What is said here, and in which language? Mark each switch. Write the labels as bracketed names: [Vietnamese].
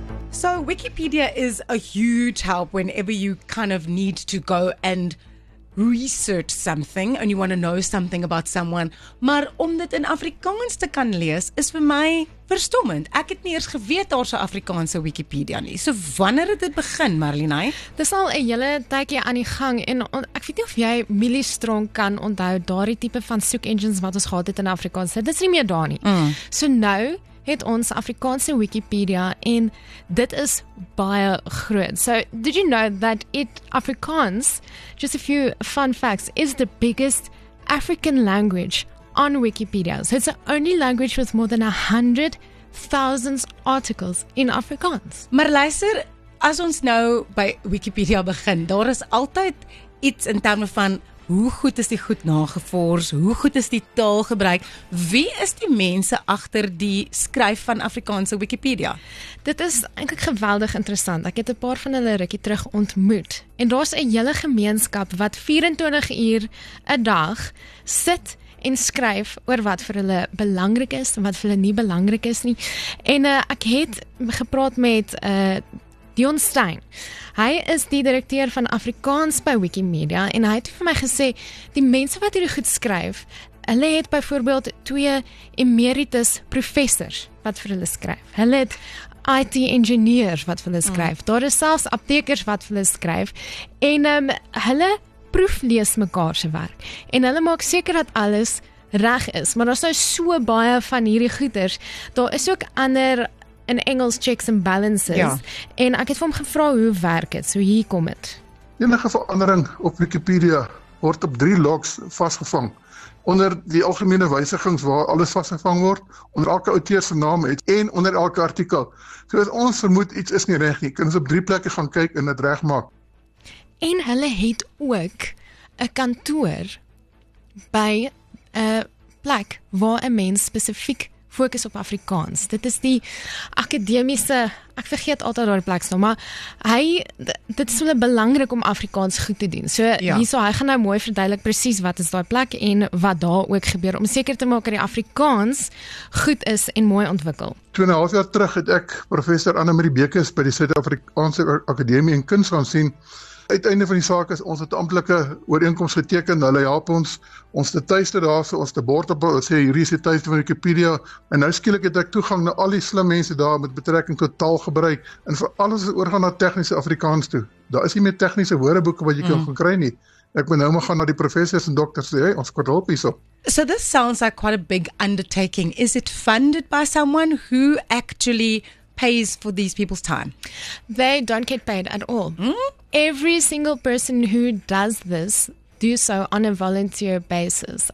[English] So Wikipedia is a huge help whenever you kind of need to go and research something and you want to know something about someone. [Afrikaans] Maar om dit in Afrikaans te kan lees is vir my verstommend. Ek het nie eers geweet daar's 'n Afrikaanse Wikipedia nie. So wanneer het dit begin, Marlene? Dis al 'n hele tydjie aan die gang en ek weet nie of jy Millistrong kan onthou daardie tipe van soek engines wat ons gehad het in Afrikaans. Dit is nie meer daar nie. So nou het ons Afrikaanse Wikipedia en dit is baie groot. [English] So, did you know that it Afrikaans, just a few fun facts, is the biggest African language on Wikipedia. So, it's the only language with more than 100,000 articles in Afrikaans. [Afrikaans] Maar luister, as ons nou by Wikipedia begin, daar is altyd iets in terme van hoe goed is die goed nagevors? Hoe goed is die taal gebruik? Wie is die mense agter die skryf van Afrikaanse Wikipedia? Dit is eintlik geweldig interessant. Ek het 'n paar van hulle rukkie terug ontmoet. En daar's 'n hele gemeenskap wat 24 uur 'n dag sit en skryf oor wat vir hulle belangrik is en wat vir hulle nie belangrik is nie. En ek het gepraat met Dion Stein. Hy is die direkteur van Afrikaans by Wikimedia en hy het vir my gesê, die mense wat hierdie goed skryf, hulle het byvoorbeeld 2 emeritus professors wat vir hulle skryf. Hulle het IT-ingenieurs wat vir hulle skryf. Daar is selfs aptekers wat vir hulle skryf en hulle proeflees mekaar se werk en hulle maak seker dat alles reg is. Maar daar is nou so baie van hierdie goeders. Daar is ook ander in Engels [English] checks and balances. [Afrikaans] Ja. En ek het vir hom gevra hoe werk dit? So hier kom dit. Enige verandering op Wikipedia word op 3 logs vasgevang. Onder die algemene wysigings waar alles vasgevang word, onder elke outeur se naam het en onder elke artikel. So as ons vermoed iets is nie reg nie, kan ons op 3 plekke gaan kyk en dit regmaak. En hulle het ook 'n kantoor by 'n plek waar 'n mens spesifiek fokus op Afrikaans. Dit is die akademiese, ek vergeet altyd daar die plek staan, maar hy, dit is hulle belangrik om Afrikaans goed te doen. So, hierso, hy gaan nou mooi verduidelik precies wat is daar plek en wat daar ook gebeur, om seker te maak dat die Afrikaans goed is en mooi ontwikkel. 2,5 jaar terug het ek professor Annemarie Bekes by die Suid-Afrikaanse Akademie en Kuns gaan sien. Uiteinde van die saak is ons het amptelike ooreenkoms geteken, hulle help ons te tuiste daar, so ons te bord op, ons sê hier is die tuiste van Wikipedia, en nou skielik het ek toegang na al die slim mense daar met betrekking tot taalgebruik, en vir alles is oorgaan na tegniese Afrikaans toe. Daar is nie meer tegniese woordeboeke wat jy kan gaan kry nie. Ek moet nou maar gaan na die professors en dokters sê, hey, ons kort hulp hierso. [English] So this sounds like quite a big undertaking. Is it funded by someone who actually pays for these people's time? They don't get paid at all. Every single person who does this do so on a volunteer basis.